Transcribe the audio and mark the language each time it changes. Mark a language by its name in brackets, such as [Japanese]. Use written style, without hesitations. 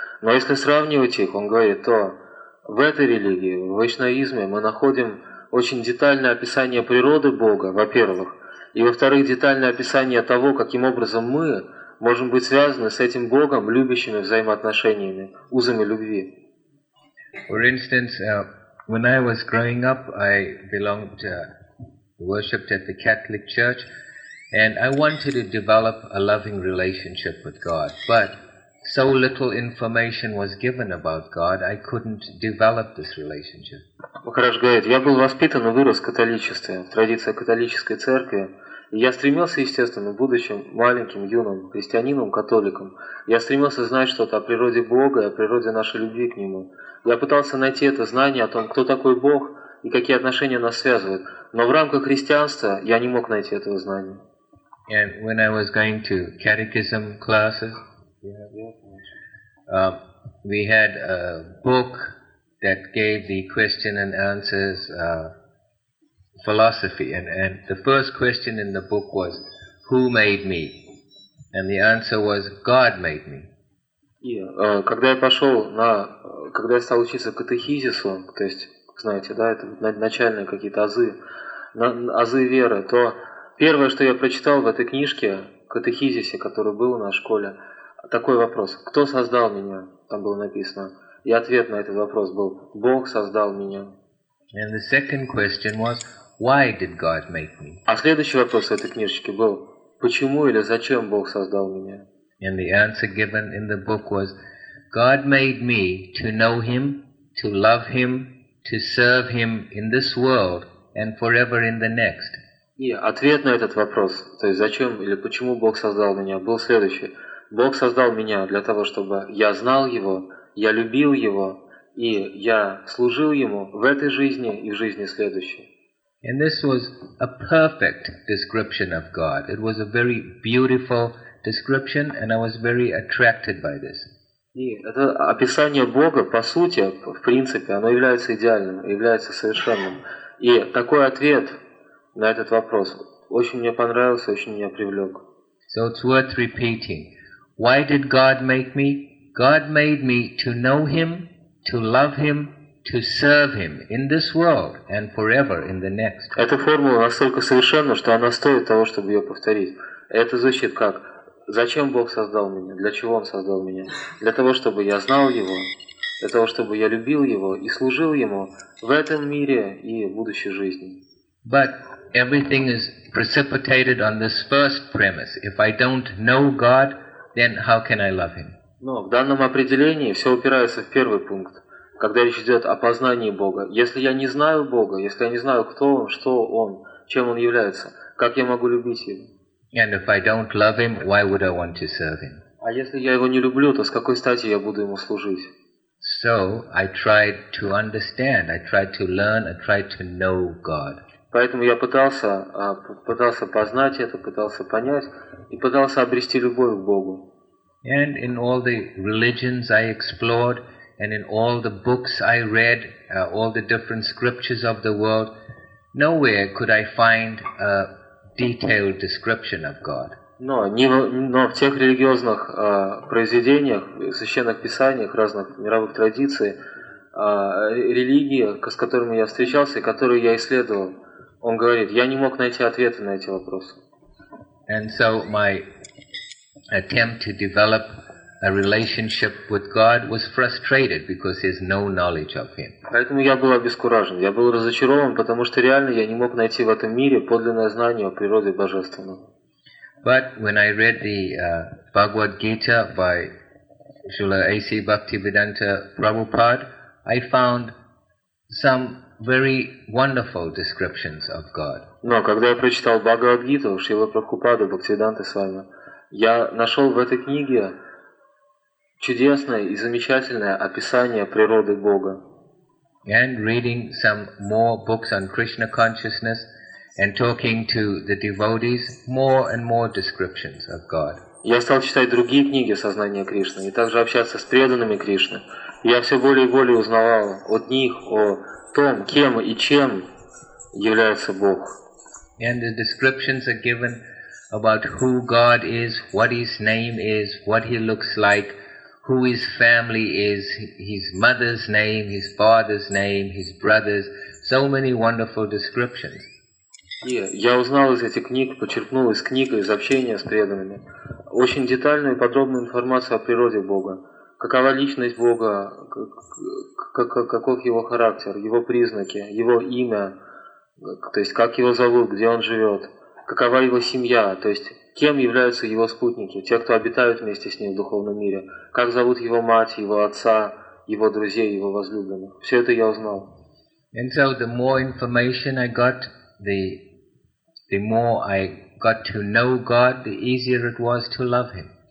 [Russian] Но если сравнивать их, он говорит, то в этой религии, в вайшнавизме, мы находим очень детальное описание природы Бога, во-первых, и во-вторых, детальное описание того, каким образом мы можем быть связаны с этим Богом, любящими взаимоотношениями, узами любви. [English] For instance, when I was growing up, I belonged, worshipped at the Catholic Church, and I wanted to develop a loving relationship with God, but so little information was given about God, I couldn't develop this relationship. [Russian] Махарадж говорит, я был воспитан и вырос в католичестве, в традиции католической церкви, и я стремился, естественно, будучи маленьким, юным христианином, католиком, я стремился знать что-то о природе Бога и о природе нашей любви к Нему. Я пытался найти это знание о том, кто такой Бог и какие отношения нас связывают, но в рамках христианства я не мог найти этого знания. [English] And when I was going to catechism classes, we had a book that gave the question and answers philosophy, and the first question in the book was, "Who made me?" And the answer was, "God made me." [Russian] Когда я стал учиться катехизису, то есть, знаете, да, это начальные какие-то азы веры, то первое, что я прочитал в этой книжке катехизисе, который был у нас в школе. Такой вопрос. Кто создал меня? Там было написано. И ответ на этот вопрос был. Бог создал меня. [English] And the second question was, why did God make me? [Russian] А следующий вопрос в этой книжечке был. Почему или зачем Бог создал меня? [English] And the answer given in the book was, God made me to know Him, to love Him, to serve Him in this world and forever in the next. [Russian] И ответ на этот вопрос, то есть зачем или почему Бог создал меня, был следующий. Бог создал меня для того, чтобы я знал Его, я любил Его, и я служил Ему в этой жизни и в жизни следующей. [English] And this was a perfect description of God. It was a very beautiful description, and I was very attracted by this. [Russian] И это описание Бога, по сути, в принципе, оно является идеальным, является совершенным. И такой ответ на этот вопрос очень мне понравился, очень меня привлек. [English] So it's worth repeating. Why did God make me? God made me to know Him, to love Him, to serve Him in this world and forever in the next. [Russian] Эта формула настолько совершенна, что она стоит того, чтобы ее повторить. Это звучит как: зачем Бог создал меня? Для чего Он создал меня? Для того, чтобы я знал Его, для того, чтобы я любил Его и служил Ему в этом мире и в будущей жизни. [English] But everything is precipitated on this first premise. If I don't know God, then how can I love Him? [Russian] Но в данном определении все упирается в первый пункт, когда речь идет о познании Бога. Если я не знаю Бога, если я не знаю, кто Он, что Он, чем Он является, как я могу любить Его? [English] And if I don't love Him, why would I want to serve Him? [Russian] А если я Его не люблю, то с какой стати я буду Ему служить? [English] So I tried to understand, I tried to learn, I tried to know God. [Russian] Поэтому я пытался познать это, пытался понять и пытался обрести любовь к Богу. [English] And in all the religions I explored, and in all the books I read, all the different scriptures of the world, nowhere could I find a detailed description of God. [Russian] Но в тех религиозных произведениях, священных писаниях, разных мировых традиций, религии, с которыми я встречался и которые я исследовал, он говорит, я не мог найти ответы на эти вопросы. [English] And so my attempt to develop a relationship with God was frustrated because there's no knowledge of Him. [Russian] Поэтому я был обескуражен, я был разочарован, потому что реально я не мог найти в этом мире подлинное знание о природе Божественном. [English] But when I read the Bhagavad Gita by Srila A.C. Bhaktivedanta Prabhupada, I found some very wonderful descriptions of God. [Russian] Но когда я прочитал Бхагавад Гиту Шрилы Прабхупады Бхактивиданта Свами, я нашел в этой книге чудесное и замечательное описание природы Бога. [English] And reading some more books on Krishna consciousness and talking to the devotees, more and more descriptions of God. [Russian] Я стал читать другие книги сознания Кришны и также общаться с преданными Кришны. Я все более и более узнавал от них о том, кем и чем является Бог. [English] And the descriptions are given about who God is, what His name is, what He looks like, who His family is, His mother's name, His father's name, His brothers. So many wonderful descriptions. [Russian] И я узнал из этих книг, почерпнул из книг, из общения с преданными, очень детальную и подробную информацию о природе Бога. Какова личность Бога, каков Его характер, Его признаки, Его имя, то есть как Его зовут, где Он живет, какова Его семья, то есть кем являются Его спутники, те, кто обитают вместе с Ним в духовном мире, как зовут Его мать, Его отца, Его друзей, Его возлюбленных. Все это я узнал. [English] And so the more information I got, the more I got to know God, the easier it was to love Him.